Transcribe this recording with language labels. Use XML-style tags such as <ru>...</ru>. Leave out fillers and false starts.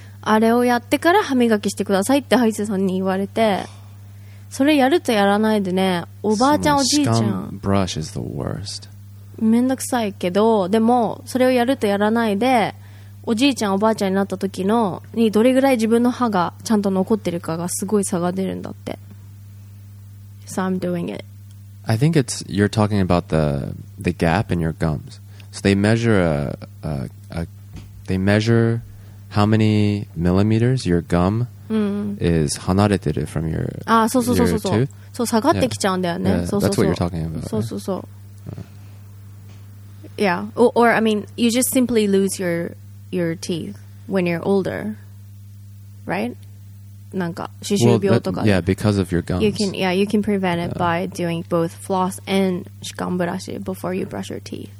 <ja>あれをやってから歯磨きしてくださいって歯医者さんに言われて、それやるとやらないでね、おばあちゃんおじいちゃん、</ja> <en>ブラシ is the worst。</en> <ja>めんどくさいけど、でもそれをやるとやらないで、おじいちゃんおばあちゃんになった時のにどれぐらい自分の歯がちゃんと残ってるかがすごい差が出るんだって。</ja> <en>So I'm doing it. I think it's you're talking about the gap in your gums. So they measure how many millimeters your gum is</en> <ja>離れてる</ja> <en>from your tooth?</en> <ja>そうそうそうそうそう。そう、下がってきちゃうんだよね。</ja> <en>Yeah, that's what you're talking about.</en> <ja>そうそうそう。</ja> <en>Yeah. Or, I mean, you just simply lose your teeth when you're older. Right?</en> <ja>なんか、歯周病とか。</ja> <en>Well, that, yeah, because of your gums. You can prevent it by doing both floss and 歯間ブラシ before you brush your teeth.</en>